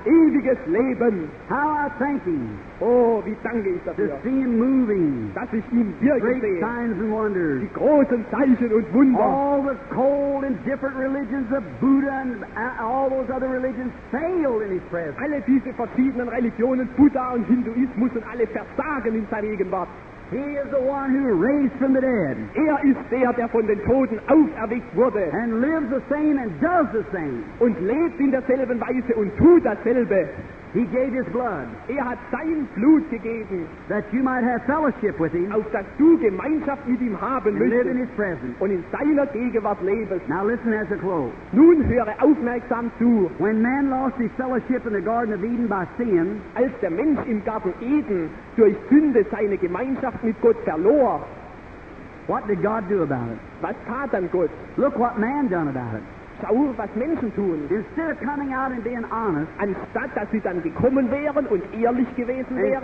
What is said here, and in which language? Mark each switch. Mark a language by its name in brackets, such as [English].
[German] Ewiges Leben. [English] How I thank him. [German] Oh, wie danke ich dafür. [English] To see him moving. [German] Das ist ihm wirklich [English] great [German] gesehen. [English] Signs and wonders. [German] Die großen Zeichen und Wunder. [English] All the cold and different religions of Buddha and all those other religions failed in his presence. [German] Alle diese verschiedenen Religionen, Buddha und Hinduismus und alle versagen in seiner Gegenwart. [English] He is the one who raised from the dead. [German] Er ist der von den Toten auferweckt wurde. [English] And lives the same and does the same. [German] Und lebt in derselben Weise und tut dasselbe. [English] He gave his blood. [German] Er hat sein Blut gegeben. [English] That you might have fellowship with him. [German] Auf dass du Gemeinschaft mit ihm haben [English] and Live in his presence. [German] Und in seiner Gegenwart lebest. [English] Now listen as a quote. [German] Nun höre aufmerksam zu. [English] When man lost his fellowship in the Garden of Eden by sin, [German] als der Mensch im Garten Eden durch Sünde seine Gemeinschaft mit Gott verlor, [English] what did God do about it? [German] Was tat dann Gott? [English] Look what man done about it. [German] Schau, was Menschen tun. [English] Instead of coming out and being honest, [German] anstatt dass sie dann gekommen wären und ehrlich gewesen wären,